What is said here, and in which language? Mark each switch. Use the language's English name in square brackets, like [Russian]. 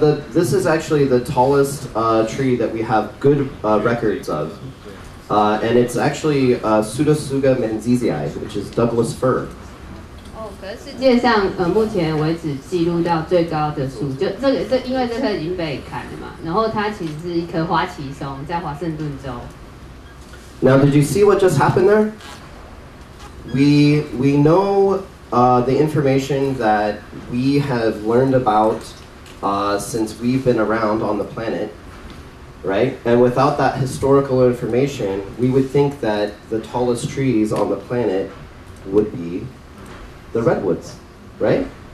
[English] This is actually the tallest tree that we have good records of. And it's actually Pseudotsuga menziesii, which is Douglas fir. [Chinese] 可是世界上目前为止记录到最高的树，因为这棵已经被砍了嘛。然后它其实是一棵花旗松，在华盛顿州。 [English] Now, did you see what just happened there? We know the information that we have learned about since we've been around on the planet, right? And without that historical information, we would think that the tallest trees on the planet would be the redwoods, right?